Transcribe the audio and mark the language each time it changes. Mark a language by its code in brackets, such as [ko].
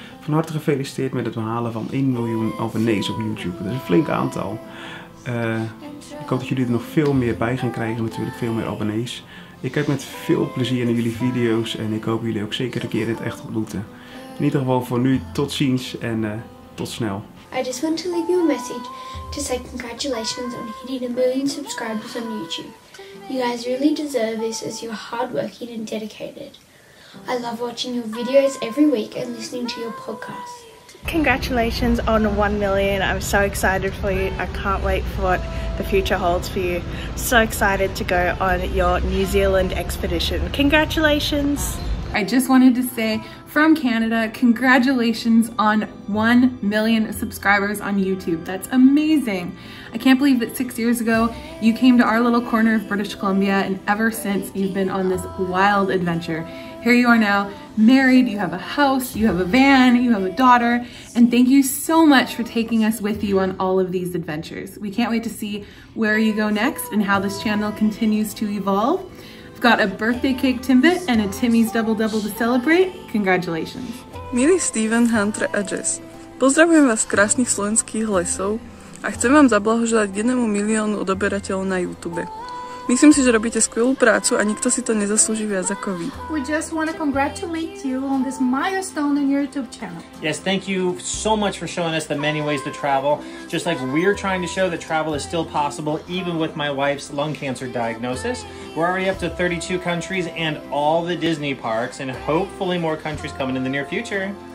[nl] Van harte gefeliciteerd met het behalen van 1 miljoen abonnees op YouTube. Dat is een flink aantal. Ik hoop dat jullie er nog veel meer bij gaan krijgen, natuurlijk veel meer abonnees. Ik kijk met veel plezier naar jullie video's en ik hoop jullie ook zeker een keer in het echt ontmoeten. In ieder geval voor nu, tot ziens en tot snel. [en] I just want to leave you a message to say congratulations on hitting 1 million subscribers on YouTube. You guys really deserve this as you are hardworking and dedicated. I love watching your videos every week and listening to your podcast. Congratulations on 1 million. I'm so excited for you. I can't wait for what the future holds for you. So excited to go on your New Zealand expedition. Congratulations. I just wanted to say from Canada, congratulations on 1 million subscribers on YouTube. That's amazing. I can't believe that 6 years ago you came to our little corner of British Columbia, and ever since you've been on this wild adventure. Here you are now, married, you have a house, you have a van, you have a daughter, and thank you so much for taking us with you on all of these adventures. We can't wait to see where you go next and how this channel continues to evolve. We've got a birthday cake Timbit and a Timmy's Double Double to celebrate. Congratulations. [sk] Milý Steven, Hunter a Jess, pozdravujem vás z krásnych slovenských lesov a chcem vám zablahoželať k 1 miliónu odoberateľov na YouTube. Myslím si, že robíte skvelú prácu a nikto si to nezaslúži viac ako vy. [en] We just want to congratulate you on this milestone on your YouTube channel. Yes, thank you so much for showing us the many ways to travel. Just like we're trying to show that travel is still possible even with my wife's lung cancer diagnosis. We're already up to 32 countries and all the Disney parks and hopefully more countries coming in the near future.